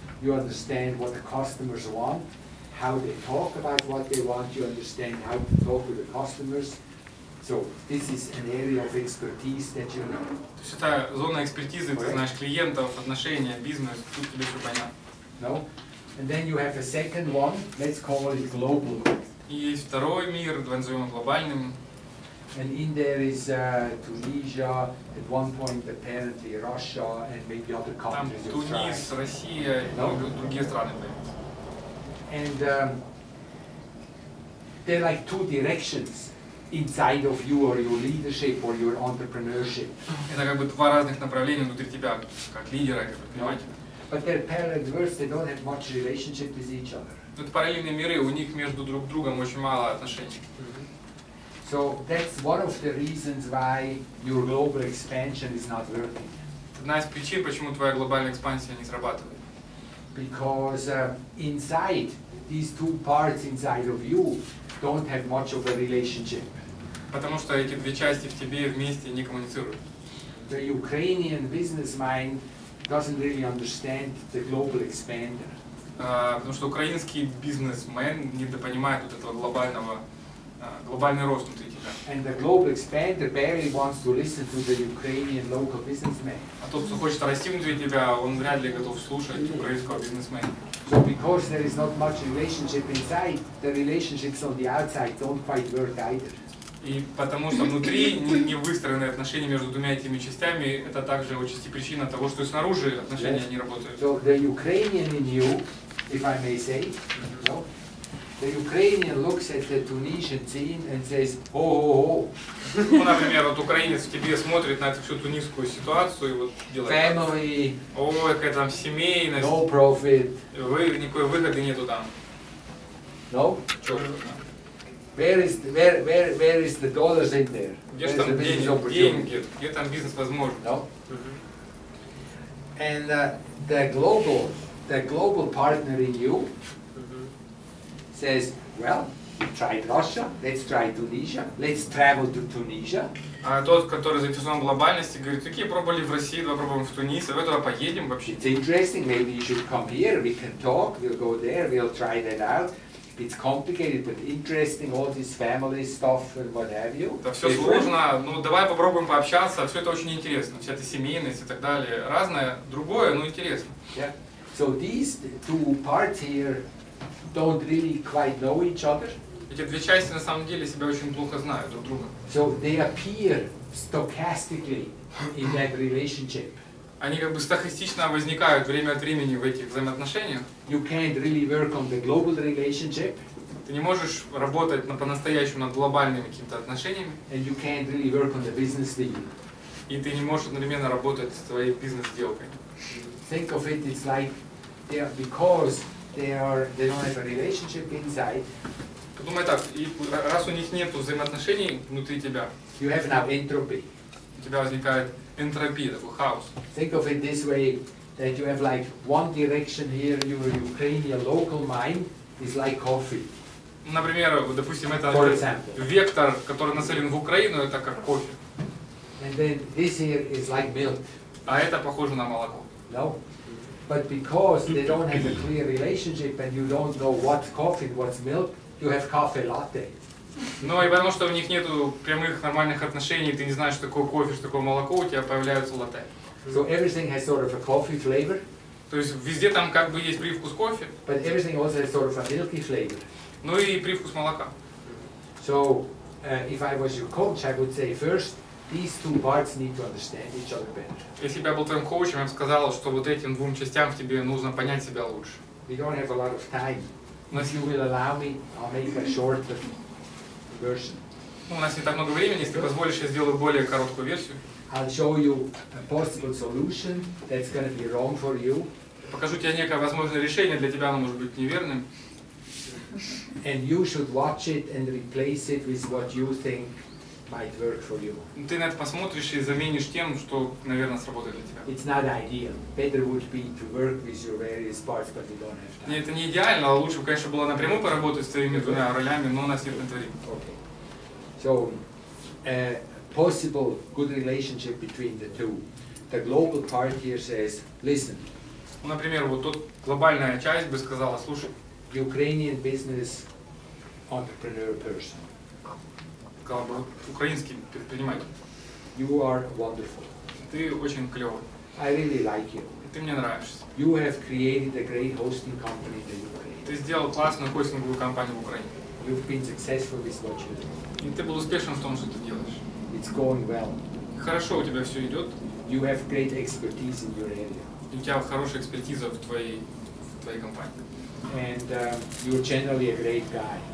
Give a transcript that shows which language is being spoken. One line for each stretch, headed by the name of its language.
English: You understand what the customers want, how they talk about what they want. You understand how to talk with the customers. So this is an area of expertise that you know.
Russian: То есть это зона экспертизы, ты знаешь клиентов, отношения, бизнес, тут тебе все понятно.
English: No. And then you have a second one. Let's call it global.
Russian: И есть второй мир, давай назовем глобальным.
English: And in there is Tunisia, at one point apparently Russia and maybe other countries.
Russian: Там Тунис, Россия,
English: no?
Russian: И другие страны появятся.
English: And there are like two directions inside of you or your leadership or your entrepreneurship.
Russian: Это как бы два разных направления внутри тебя, как лидера, как предпринимателя.
English: But they're parallel worlds, they don't have much relationship with each other.
Russian: Это параллельные миры, у них между друг другом очень мало отношений.
English: So that's one of the reasons why your global expansion is not working.
Russian: Одна из причин, почему твоя глобальная экспансия не срабатывает.
English: Because inside these two parts inside of you don't have much of a relationship.
Russian: Потому что эти две части в тебе вместе не коммуницируют.
English: The Ukrainian business mind doesn't really understand the global expander.
Russian: Потому что украинский бизнесмен недопонимает вот этого глобального. Глобальный рост внутри тебя.
English: And the global expander barely wants to listen to the Ukrainian local businessman.
Russian: А тот, кто хочет расти внутри тебя, он вряд ли готов слушать
English: really?
Russian: Украинского бизнесмена.
English: So because there is not much relationship inside, the relationships on the outside don't quite work either.
Russian: И потому что внутри не выстроены отношения между двумя этими частями, это также отчасти причина того, что и снаружи отношения
English: yes.
Russian: не работают.
English: So the Ukrainian in you, if I may say, no? The Ukrainian looks at the Tunisian scene and says, "Oh, oh, oh."
Russian: Ну, например, вот украинец тебе смотрит на эту всю тунисскую ситуацию и вот делает.
English: Family.
Russian: О, какая там семейность.
English: No profit.
Russian: Никакой выгоды нету там.
English: No. Where is the dollars in there?
Russian: Где же там деньги? Где там бизнес возможен?
English: No. And the global partner in you. Says, well, we tried Russia. Let's try Tunisia. Let's travel to Tunisia.
Russian: А тот, который заинтересован в глобальности, говорит, окей, пробовали в России, давай пробуем в Тунисе. Давай туда поедем вообще.
English: It's interesting. Maybe you should come here. We can talk. We'll go there. We'll try that out. It's complicated, but interesting. All this family stuff and what have you.
Russian: Да все сложно. Ну давай попробуем пообщаться. Все это очень интересно. Вся эта семейность и так далее. Разное, другое, но интересно.
English: Yeah. So these two parts here. Don't really quite know each other.
Russian: Эти две части на самом деле себя очень плохо знают друг друга.
English: So they appear stochastically in that relationship.
Russian: Они как бы стохастично возникают время от времени в этих взаимоотношениях.
English: You can't really work on the global relationship.
Russian: Ты не можешь работать по-настоящему над глобальными какими-то отношениями.
English: And you can't really work on the business deal.
Russian: И ты не можешь одновременно работать с твоей бизнес-сделкой.
English: Think of it, it's like they are because they don't have a relationship inside.
Russian: Подумай так, и раз у них нет взаимоотношений внутри тебя,
English: you have now entropy.
Russian: У тебя возникает энтропия, такой хаос.
English: Think of it this way, that you have like one direction here, your Ukrainian local mind is like coffee.
Russian: Например, допустим, это
English: for example.
Russian: Вектор, который нацелен в Украину, это как кофе.
English: And then this here is like milk.
Russian: А это похоже на молоко.
English: No? But because they don't have a clear relationship and you don't know what's coffee, what's milk, you have coffee latte.
Russian: Но и потому что у них нету прямых нормальных отношений, ты не знаешь, что такое кофе, что такое молоко, у тебя появляются латте.
English: So everything has sort of a coffee flavor.
Russian: То есть везде там как бы есть привкус кофе.
English: But everything also has sort of a milky flavor.
Russian: Ну и привкус молока.
English: So if I was your coach, I would say first. These two parts need to understand each other better.
Russian: Если бы я был твоим коучем, я бы сказал, что вот этим двум частям в тебе нужно понять себя лучше.
English: We don't have a lot of time. If you will allow me, I'll make a shorter version.
Russian: Ну, у нас не так много времени, если ты позволишь, я сделаю более короткую версию.
English: I'll show you a possible solution that's gonna be wrong for you.
Russian: Покажу тебе некое возможное решение, для тебя оно может быть неверным.
English: And you should watch it and replace it with what you think. Might work for you.
Russian: Ты на это посмотришь и заменишь тем, что, наверное, сработает для тебя.
English: It's not ideal. Better would be to work with your various parts, but we don't have time.
Russian: Нет, это не идеально, а лучше бы, конечно, было напрямую поработать с твоими двумя ролями, но у нас нет на это времени.
English: Okay. So, a possible good relationship between the two. The global part here says, listen.
Russian: Например, вот тут глобальная часть бы сказала, слушай.
English: Ukrainian business entrepreneur person.
Russian: Украинский предприниматель.
English: You are wonderful.
Russian: Ты очень клёвый.
English: I really like you.
Russian: Ты мне нравишься.
English: You have created a great hosting company in Ukraine.
Russian: Ты сделал классную хостинговую компанию в Украине.
English: You've been successful with what you do.
Russian: И ты был успешен в том, что ты делаешь.
English: It's going well.
Russian: Хорошо у тебя все идет.
English: You have great expertise in your area.
Russian: И у тебя хорошая экспертиза в твоей компании.
English: And you're generally a great guy.